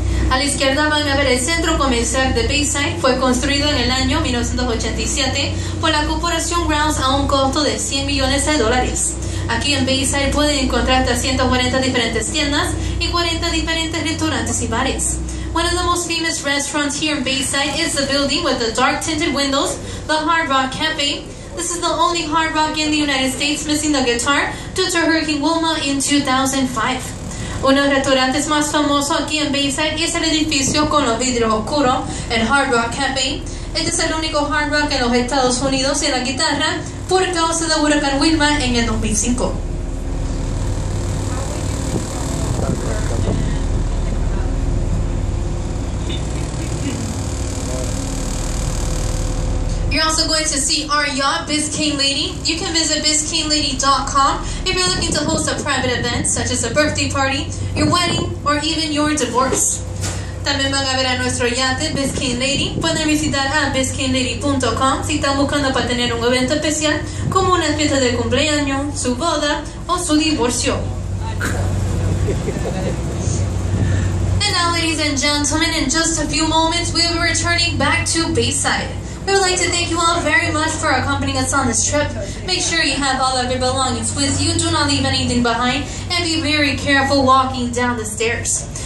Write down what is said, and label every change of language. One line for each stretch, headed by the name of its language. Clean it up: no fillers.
Spanish: A la izquierda van a ver el centro comercial de Bayside. Fue construido en el año 1987 por la corporación Grounds a un costo de 100 millones de dólares. Aquí en Bayside pueden encontrar 340 diferentes tiendas y 40 diferentes restaurantes y bares.
English: One of the most famous restaurants here in Bayside is the building with the dark tinted windows, the Hard Rock Cafe. This is the only Hard Rock in the United States missing the guitar due to Hurricane Wilma in 2005.
Spanish: Uno de los restaurantes más famosos aquí en Bayside es el edificio con los vidrios oscuros, el Hard Rock Cafe. Este es el único Hard Rock en los Estados Unidos y la guitarra por causa de Huracán Wilma en el 2005.
English: You're also going to see our yacht, Biscayne Lady. You can visit BiscayneLady.com if you're looking to host a private event, such as a birthday party, your wedding, or even your divorce.
Spanish: También van a ver a nuestro yate, Biscayne Lady. Pueden visitar a BiscayneLady.com si están buscando para tener un evento especial, como una fiesta de cumpleaños, su boda, o su divorcio.
English: And now, ladies and gentlemen, in just a few moments, we'll be returning back to Bayside. We would like to thank you all very much for accompanying us on this trip. Make sure you have all of your belongings with you. Do not leave anything behind and be very careful walking down the stairs.